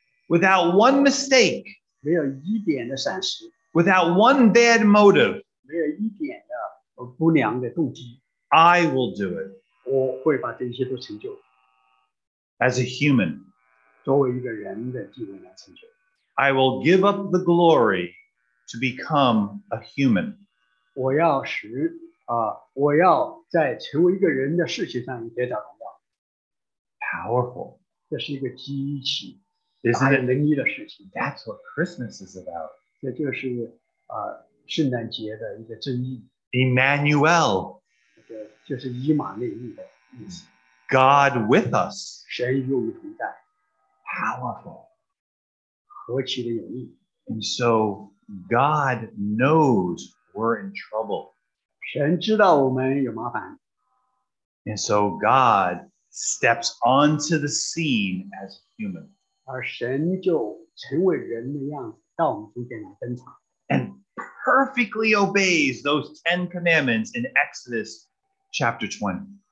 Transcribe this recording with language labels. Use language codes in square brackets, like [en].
[en] without one mistake， [zh] 没有一点的闪失， [en] without one bad motive， [zh] 没有一点的不良的动机， [en] I will do it， [zh] 我会把这些都成就， [en] as a human， [zh] 作为一个人的基督来成就， [en] I will give up the glory to become a human， [zh] 我要使 我要在成为一个人的事情上也得到荣耀。 [en] Powerful. [zh] 这是一个机器, [en] isn't it? That's what Christmas is about. [zh] 这就是, 圣诞节的一个真意。 [en] Emmanuel. [zh] 这就是以马内利的意思。 [en] God with us. [zh] 神与我们同在。 [en] Powerful. [zh] 何其的有力。 [en] And so God knows we're in trouble. [zh] 神知道我们有麻烦， [en] and so God steps onto the scene as human. [zh] 而神就成为人的样子到我们中间来登场， [en] and perfectly obeys those Ten Commandments in Exodus chapter 20.